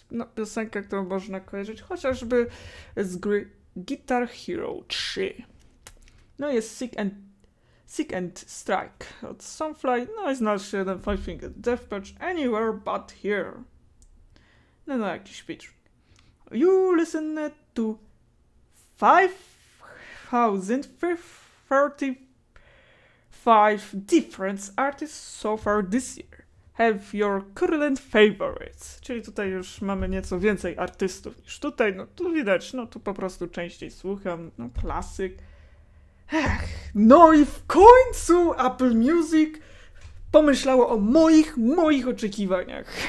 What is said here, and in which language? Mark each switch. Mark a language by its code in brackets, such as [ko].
[pl] No, piosenka, którą można kojarzyć chociażby z gry Guitar Hero 3. No jest Sick and Strike od Soundfly. No i znalazł się jeden Five Finger Death Punch Anywhere But Here. No jakiś pitch. [en] You listen to 5,035 different artists so far this year. Have your current favorites. [pl] Czyli tutaj już mamy nieco więcej artystów niż tutaj. No tu widać, no tu po prostu częściej słucham. No klasyk. Ech, no i w końcu Apple Music pomyślało o moich oczekiwaniach.